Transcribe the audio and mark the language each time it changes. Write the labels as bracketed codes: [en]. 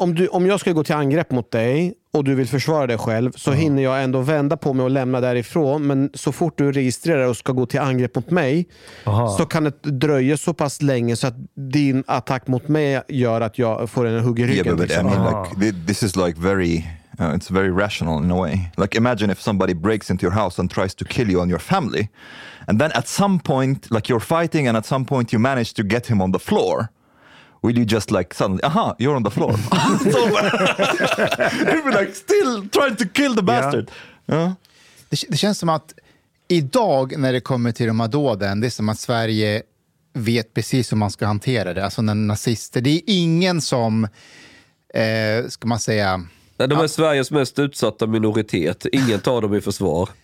[sv] Om jag ska gå till angrepp mot dig och du vill försvara dig själv, så hinner jag ändå vända på mig och lämna därifrån. Men så fort du registrerar och ska gå till angrepp mot mig, så kan det dröja så pass länge så att din attack mot mig gör att jag får en hugg i ryggen. [en] Yeah, [sv] liksom. [en] I mean, like, this is like very... it's very rational in a way. Like, imagine if somebody breaks into your house and tries to kill you and your family. And then at some point, like, you're fighting and at some point you manage to get him on the floor. Will you just like suddenly, you're on the floor. You'd be like, still trying to kill the bastard. Yeah. [sv] Det känns som att idag när det kommer till de här dåden, det är som att Sverige vet precis hur man ska hantera det. Alltså när nazister, det är ingen som, ska man säga... Nej, de är Sveriges mest utsatta minoritet. Ingen tar dem i försvar.